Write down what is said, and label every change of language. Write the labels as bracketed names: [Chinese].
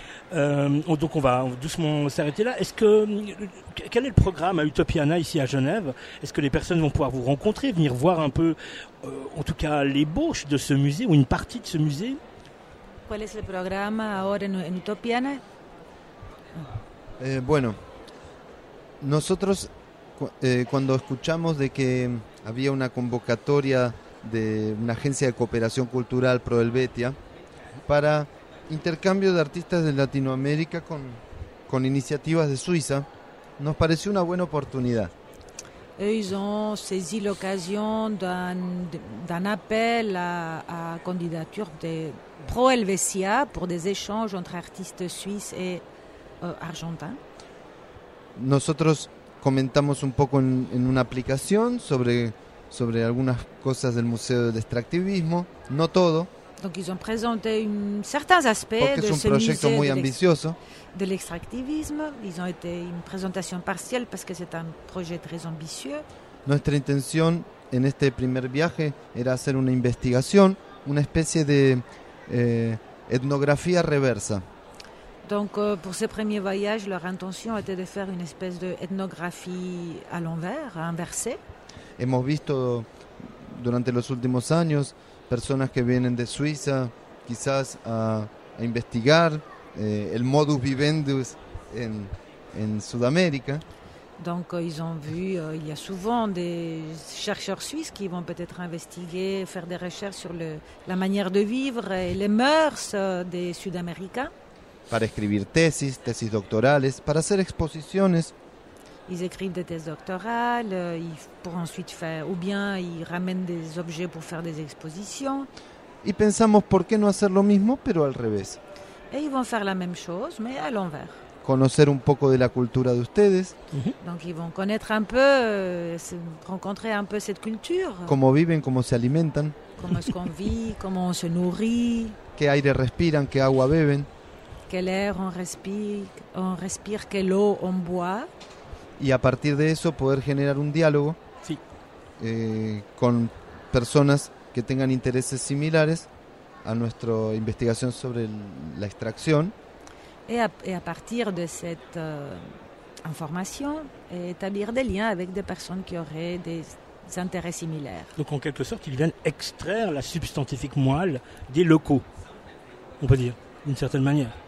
[French] Donc on va doucement s'arrêter là. Quel est le programme à Utopiana ici à Genève? Est-ce que les personnes vont pouvoir vous rencontrer, venir voir un peu, en tout cas l'ébauche de ce musée ou une partie de ce musée? Quel est le programme [Spanish] ahora en [French] Utopiana? [Spanish] Bueno, nosotros cuando escuchamos de que había una convocatoria de una agencia de cooperación cultural Pro Helvetia para intercambio de artistas de Latinoamérica con iniciativas de Suiza, nos pareció una buena oportunidad. [French] Ils ont saisi l'occasion d'un appel à candidature de Pro Helvetia pour des échanges entre artistes suisses et argentins. [Spanish] Nosotros comentamos un poco en una aplicación sobre algunas cosas del Museo del Extractivismo, no todo. [French] Donc ils ont présenté certains aspects de ce musée de l'extractivisme. Ils ont été une présentation partielle parce que c'est un projet très ambitieux. Notre intention [Spanish] en este primer viaje era hacer una investigación, una especie de etnografía reversa. [French] Donc pour ce premier voyage, leur intention était de faire une espèce de ethnographie à l'envers, inversée. [Spanish] Hemos visto durante los últimos años personas que vienen de Suiza quizás a investigar el modus vivendi en Sudamérica. [French] Donc ils ont vu il y a souvent des chercheurs suisses qui vont peut-être investiguer, faire des recherches sur la manière de vivre et les mœurs des Sud-Américains. [Spanish] Para escribir tesis doctorales, para hacer exposiciones. [French] Ils écrivent des thèses doctorales, pour ensuite faire, ou bien ils ramènent des objets pour faire des expositions. [Spanish] Y pensamos por qué no hacer lo mismo, pero al revés. [French] Et ils vont faire la même chose, mais à l'envers. [Spanish] Conocer un poco de la cultura de ustedes. [French] Donc ils vont connaître un peu, rencontrer un peu cette culture. [Spanish] Cómo viven, cómo se alimentan. [French] Comment est-ce qu'on vit, comment on se nourrit. [Spanish] Qué aire respiran, qué agua beben. [French] Quel air on respire, quelle eau on boit. [Spanish] Y a partir de eso poder generar un diálogo sí. Con personas que tengan intereses similares a nuestra investigación sobre la extracción. Y a partir de esta información, establecer [French] des liens avec des personnes qui auraient des intérêts similaires. Donc en quelque sorte, ils viennent extraire la substantifique moelle des locaux, on peut dire, d'une certaine manière.